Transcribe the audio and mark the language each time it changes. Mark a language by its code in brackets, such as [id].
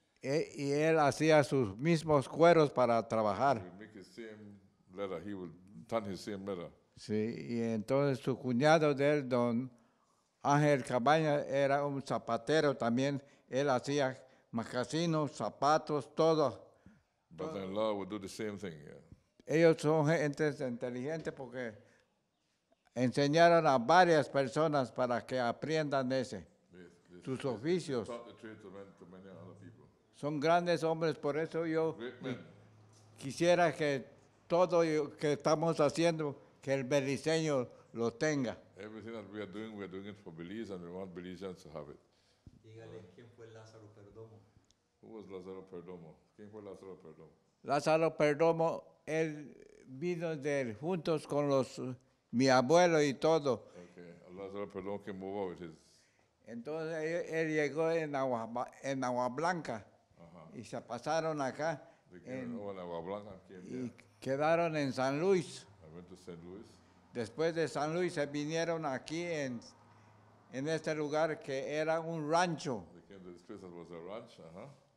[es] Y él hacía sus mismos cueros para trabajar. [en] He would make his same leather. He would tan his same leather. [es] Sí, y entonces su cuñado de él, don Ángel Cabaña, era un zapatero también. Él hacía mocasines, zapatos, todo. [en] Brother-in-law would do the same thing, yeah. [es] Ellos son gente inteligente porque enseñaron a varias personas para que aprendan ese, sus oficios. Son grandes hombres, por eso yo quisiera que todo lo que estamos haciendo, que el beliceño lo tenga. [en] Everything that we are doing it for Belize, and we want Belizeans to have it. [es] Dígale, ¿quién fue Lázaro Perdomo? [en] Who was Lázaro Perdomo? [es] ¿Quién fue Lázaro Perdomo? Lázaro Perdomo, él vino de juntos con los mi abuelo y todo. [en] Okay, Lázaro Perdomo came over with his. [es] Entonces él llegó en Agua Blanca, uh-huh. Y se pasaron acá. En Agua Blanca, y quedaron en San Luis. [en] I went to San Luis. [es] Después de San Luis se vinieron aquí en este lugar que era un rancho. [en] They came to this place that was a ranch, uh-huh.